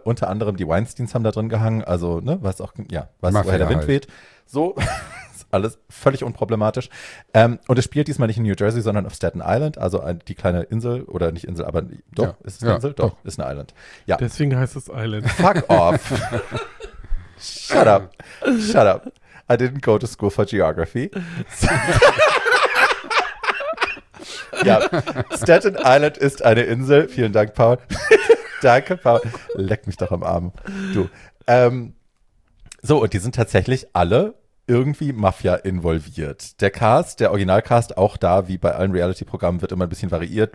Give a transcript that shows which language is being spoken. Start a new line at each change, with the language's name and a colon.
German: Unter anderem die Weinsteins haben da drin gehangen, also, ne, was auch, woher der Wind weht. So. Alles völlig unproblematisch. Und es spielt diesmal nicht in New Jersey, sondern auf Staten Island, also die kleine Insel, oder nicht Insel, aber doch, ist es eine Insel? Doch, ist eine Island. Ja. Deswegen heißt es Island.
English: Fuck off. Shut up. I didn't go to school for geography.
German: Ja, Staten Island ist eine Insel. Vielen Dank, Paul. Danke, Paul. Leck mich doch am Arm. Du. So, und die sind tatsächlich alle irgendwie Mafia involviert. Der Cast, der Originalcast, auch da, wie bei allen Reality-Programmen, wird immer ein bisschen variiert.